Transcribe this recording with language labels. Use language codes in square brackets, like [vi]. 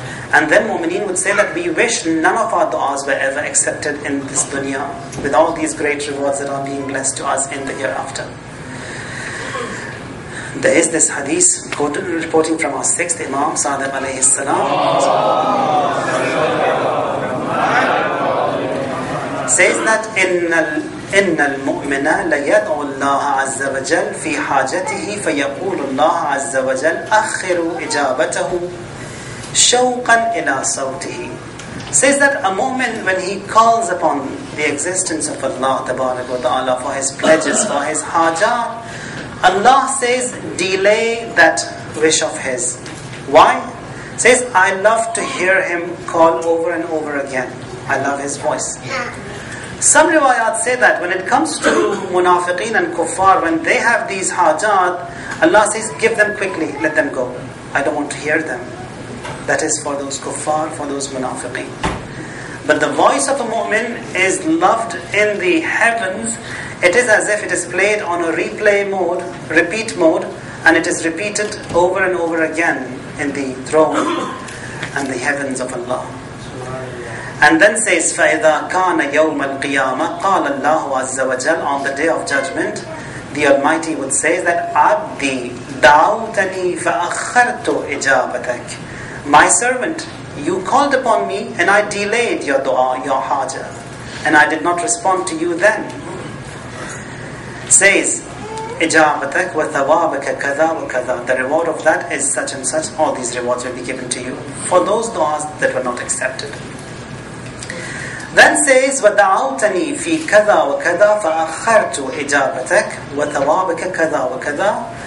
[en] And then mu'mineen would say that, we wish none of our du'as were ever accepted in this dunya, with all these great rewards that are being blessed to us in the hereafter. There is this hadith quoted and reporting from our sixth Imam, Sadiq alayhi salam. Says that, [ar] إِنَّ الْمُؤْمِنَ لَيَدْعُ اللَّهَ عَزَّ وَجَلْ فِي حَاجَتِهِ فَيَقُولُ اللَّهَ عَزَّ وَجَلْ أَخِّرُ إِجَابَتَهُ شَوْقًا إِلَى صَوْتِهِ. [en] Says that a mu'min, when he calls upon the existence of Allah tabarak wa ta'ala for his pledges, for his hajat, Allah says, delay that wish of his. Why? Says, I love to hear him call over and over again. I love his voice. Some riwayat say that when it comes to munafiqeen and kuffar, when they have these hajat, Allah says, give them quickly, let them go. I don't want to hear them. That is for those kuffar, for those munafiqeen. But the voice of a mu'min is loved in the heavens. It is as if it is played on a replay mode, repeat mode, and it is repeated over and over again in the throne and the heavens of Allah. And then says, [ar] فَإِذَا كَانَ يَوْمَ الْقِيَامَةِ قَالَ اللَّهُ عَزَّ وَجَلَّ. [en] On the day of judgment, the Almighty would say that, [ar] عَبْدِي دَعَوْتَنِي فَأَخَّرْتُ إِجَابَتَكَ. [en] My servant, you called upon me and I delayed your dua, your haja, and I did not respond to you then. Says, [ar] إِجَابَتَكَ وَثَوَابَكَ كَذَا وَكَذَا. [en] The reward of that is such and such. All these rewards will be given to you for those duas that were not accepted. Then says, [ar] وَدَعَوْتَنِي فِي كَذَا وَكَذَا فَأَخَّرْتُ إِجَابَتَكَ وَثَوَابَكَ كَذَا وَكَذَا.